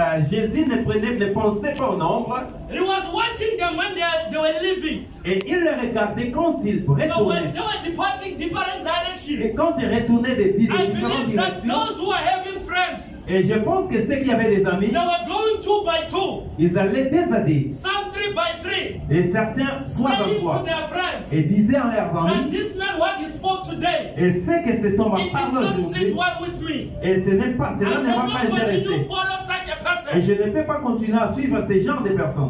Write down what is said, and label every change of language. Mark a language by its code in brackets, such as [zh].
[fr] Jésus ne prenait les pensées pas au nombre. [en] He was watching them when they were leaving. [fr] Et il les regardait quand ils retournaient. [en] So when they were departing different directions. [fr] Et quand ils retournaient des différentes directions. [en] I believe that those who are having friends. [fr] Et je pense que ceux qui avaient des amis, [en] they were going two by two. [fr] Ils allaient deux à deux. [en] Some three by three. [fr] Et certains trois par trois. [en] To their friends, [fr] et disaient à leurs amis, [en] and this man, what he spoke today, [fr] et ce que cet homme a parlé aujourd'hui, [en] well with me. [fr] Et ce n'est pas, cela ne m'a pas intéressé. Et je ne peux pas continuer à suivre ce genre de personnes.